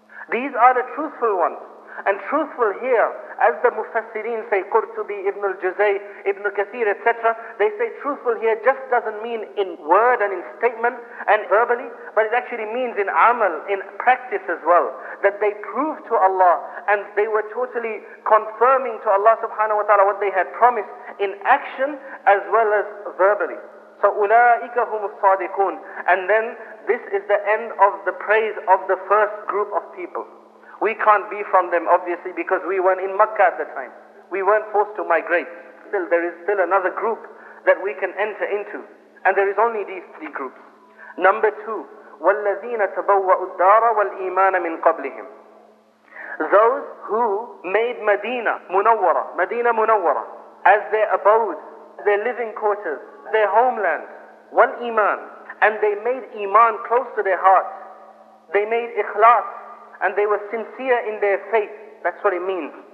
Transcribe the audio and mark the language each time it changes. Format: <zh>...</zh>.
<en>These are the truthful ones. And truthful here, as the Mufassireen say, Qurtubi, Ibn al-Juzay, Ibn al-Kathir, etc., they say truthful here just doesn't mean in word and in statement and verbally, but it actually means in amal, in practice as well, that they proved to Allah and they were totally confirming to Allah subhanahu wa ta'ala what they had promised in action as well as verbally. So,</en> <ar>أُولَٰئِكَ هُمُ الصَّادِقُونَ.</ar> <en>And then, this is the end of the praise of the first group of people. We can't be from them, obviously, because we weren't in Mecca at the time. We weren't forced to migrate. Still, there is still another group that we can enter into. And there is only these three groups. Number two,</en> <ar>وَالَّذِينَ تَبَوَّأُوا الدَّارَ وَالْإِيمَانَ مِنْ قَبْلِهِمْ.</ar> <en>Those who made Medina Munawwara, as their abode, their living quarters, their homeland, wal iman, and they made iman close to their hearts. They made ikhlas, and they were sincere in their faith. That's what it means.</en>